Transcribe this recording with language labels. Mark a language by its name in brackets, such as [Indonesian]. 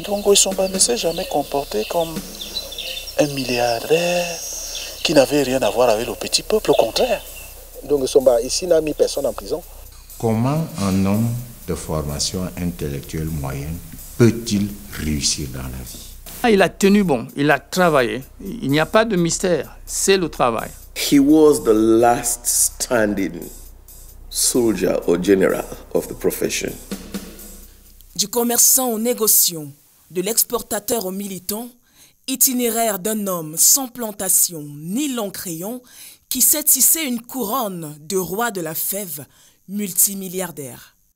[French] Ndongo Esomba ne s'est jamais comporté comme un milliardaire qui n'avait rien à voir avec le petit peuple, au contraire. Ndongo Esomba, ici, n'a mis personne en prison. Comment un homme de formation intellectuelle moyenne peut-il réussir dans la vie? Il a tenu bon, il a travaillé. Il n'y a pas de mystère, c'est le travail. [English] He was the last standing soldier or general of the profession. [French] Du commerçant au négociant, de l'exportateur au militant, itinéraire d'un homme sans plantation ni long crayon qui sait tisser une couronne de roi de la fève, multimilliardaire.